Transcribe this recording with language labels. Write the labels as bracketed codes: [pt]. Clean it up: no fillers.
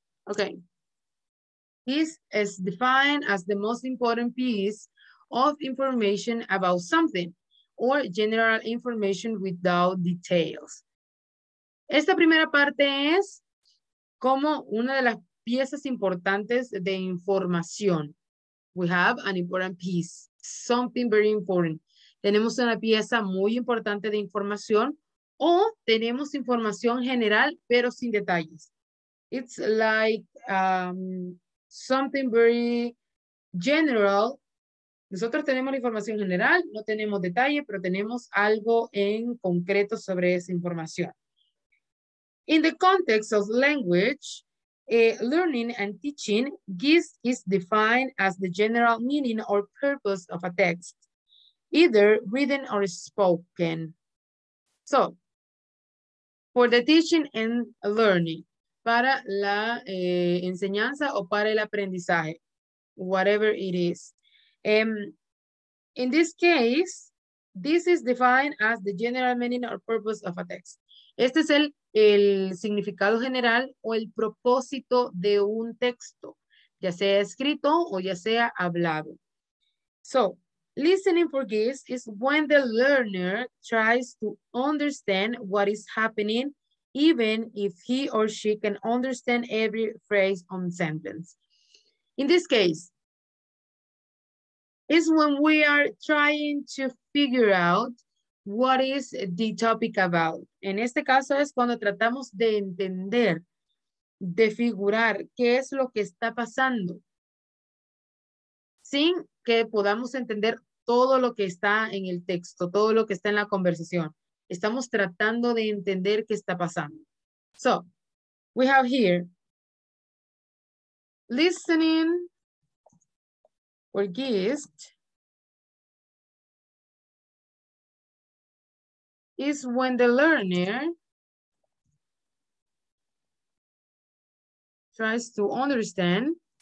[en] okay, this is defined as the most important piece of information about something or general information without details. [es] Esta primera parte es como una de las piezas importantes de información. [en] We have an important piece, something very important. [es] Tenemos una pieza muy importante de información o tenemos información general pero sin detalles. [en] It's like something very general. [es] Nosotros tenemos la información general, no tenemos detalle, pero tenemos algo en concreto sobre esa información. [en] In the context of language, learning and teaching, GIST is defined as the general meaning or purpose of a text, either written or spoken. So, for the teaching and learning, [es] para la enseñanza o para el aprendizaje, [en] whatever it is. In this case, this is defined as the general meaning or purpose of a text. [es] Este es el significado general o el propósito de un texto, ya sea escrito o ya sea hablado. [en] So, listening for gifts is when the learner tries to understand what is happening even if he or she can understand every phrase on sentence. In this case, is when we are trying to figure out what is the topic about. [es] En este caso es cuando tratamos de entender, de figurar qué es lo que está pasando, sin que podamos entender todo lo que está en el texto, todo lo que está en la conversación. Estamos tratando de entender qué está pasando. [en] So, we have here, listening for gist is when the learner tries to understand